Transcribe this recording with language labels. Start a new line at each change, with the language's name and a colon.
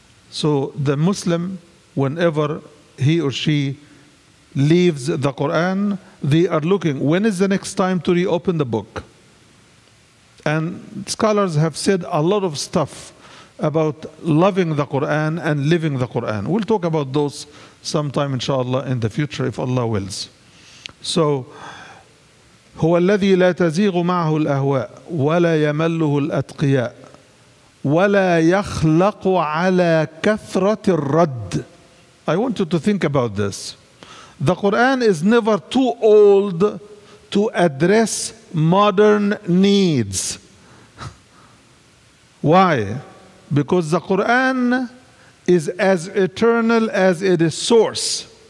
English: So the Muslim, whenever he or she leaves the Quran, they are looking, when is the next time to reopen the book? And scholars have said a lot of stuff about loving the Quran and living the Quran. We'll talk about those sometime, inshallah, in the future, if Allah wills.
Arabic: So, هو الذي لا تزيغ معه الأهواء ولا يمله الأتقياء ولا يخلق على كثرة الرد.
English: I want you to think about this. The Quran is never too old to address modern needs. Why? Because the Quran is as eternal as it is source.